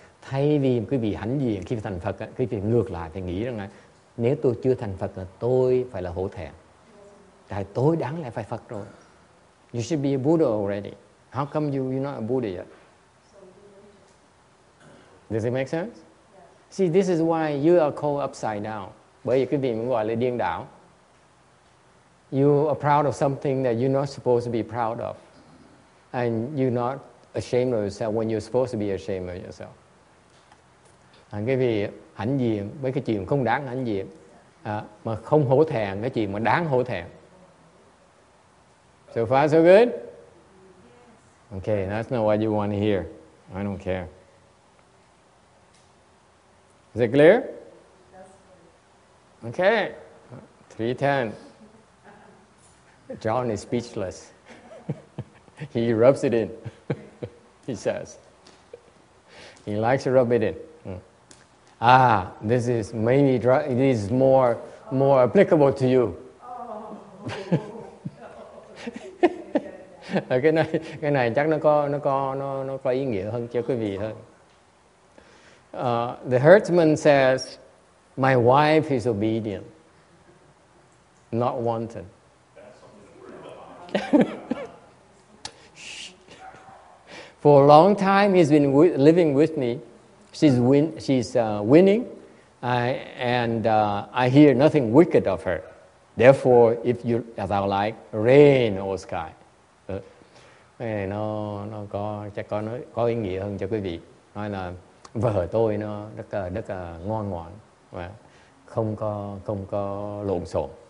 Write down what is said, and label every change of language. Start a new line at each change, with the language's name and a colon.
Vietnamese: Thay vì quý vị hãnh diện khi thành Phật, quý vị ngược lại phải nghĩ rằng là nếu tôi chưa thành Phật là tôi phải là hổ thẹn. Tại tôi đáng lẽ phải Phật rồi.
English: You should be a Buddha already. How come you're not a Buddha yet? Does it make sense? See, this is why you are called upside down.
Vietnamese: Bởi vì quý vị mới gọi là điên đảo.
English: You are proud of something that you're not supposed to be proud of. And you're not ashamed of yourself when you're supposed to be ashamed of yourself.
Vietnamese: À, cái gì hãnh diện với cái chuyện không đáng hãnh diện à, mà không hổ thẹn cái chuyện mà đáng hổ thẹn.
English: So far so good? Okay, that's not what you want to hear. I don't care. Is it clear? Okay. 3:10. John is speechless. He rubs it in. He says. He likes to rub it in. Ah, this is maybe it is more applicable to you.
Vietnamese: cái này chắc nó có ý nghĩa hơn cho quý vị hơn.
English: The herdsman says, "My wife is obedient, not wanton." For a long time, he's been living with me. She's winning, and I hear nothing wicked of her. Therefore, if you as I like, rain or sky.
Vietnamese: Cái này nó có chắc có ý nghĩa hơn cho quý vị. Nói là vợ tôi nó rất là ngoan ngoãn và không có lộn xộn.